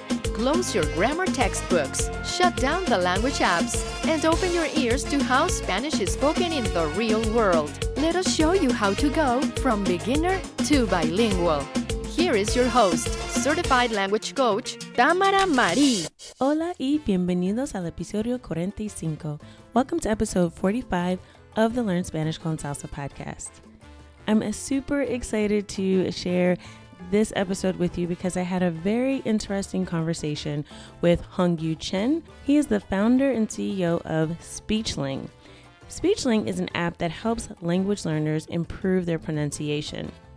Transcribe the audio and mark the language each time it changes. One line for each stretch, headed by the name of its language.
English: Close your grammar textbooks, shut down the language apps, and open your ears to how Spanish is spoken in the real world. Let us show you how to go from beginner to bilingual. Here is your host, certified language coach, Tamara Mari.
Spanish: Hola y bienvenidos al episodio 45.
English: Welcome to episode 45 of the Learn Spanish con Salsa podcast. I'm super excited to share this episode with you because I had a very interesting conversation with Hongyu Chen. He is the founder and CEO of Speechling. Speechling is an app that helps language learners improve their pronunciation.